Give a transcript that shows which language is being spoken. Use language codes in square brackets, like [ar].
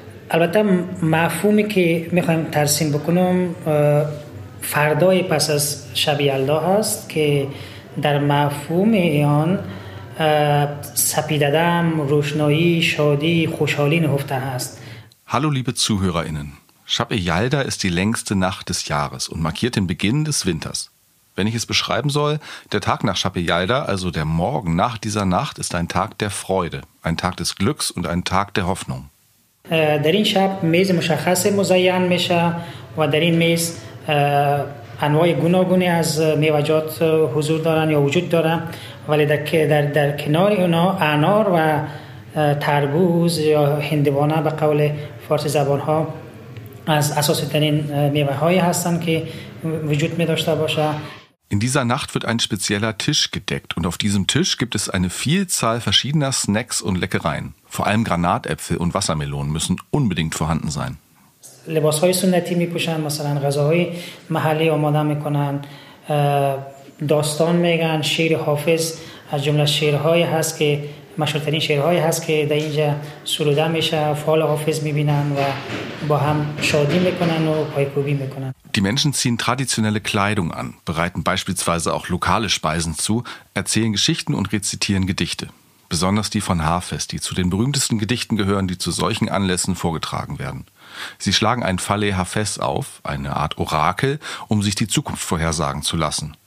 [fa] البته مفهومی که میخوایم ترسیم بکنم فردای پس از شب یلدا هست که در مفهوم آن سپیددم، روشنایی، شادی، خوشحالی نهفته هست. [de] Hallo liebe Zuhörerinnen. Shab Yalda ist die längste Nacht des Jahres und markiert den Beginn des Winters. Wenn ich es beschreiben soll, der Tag nach Shab Yalda, also der Morgen nach dieser Nacht, ist ein Tag der Freude, ein Tag des Glücks und ein Tag der Hoffnung. [fa] در این شب میز مشخص مزین میشه و در این میز انواع گوناگون از میوه‌جات حضور دارن یا وجود دارن ولی در کنار اونا انار و تربوز یا هندوانه به قول فارسی زبان ها از اساس ترین میوه های هستن که وجود می داشته باشه. [de] In dieser Nacht wird ein spezieller Tisch gedeckt und auf diesem Tisch gibt es eine Vielzahl verschiedener Snacks und Leckereien. Vor allem Granatäpfel und Wassermelonen müssen unbedingt vorhanden sein. [fa] لباس‌های سنتی می‌پوشن، مثلا غذاهای محلی آماده می‌کنن، داستان میگن، شعر حافظ از جمله شعرهایی هست که مشهورترین شعرهایی هست که در اینجا سروده میشه، فال حافظ می‌بینن و با هم شادی می‌کنن و پایکوبی می‌کنن. [de] Die Menschen ziehen traditionelle Kleidung an, bereiten beispielsweise auch lokale Speisen zu, erzählen Geschichten und rezitieren Gedichte. Besonders die von Hafez, die zu den berühmtesten Gedichten gehören, die zu solchen Anlässen vorgetragen werden. Sie schlagen ein Falle Hafez auf, eine Art Orakel, um sich die Zukunft vorhersagen zu lassen.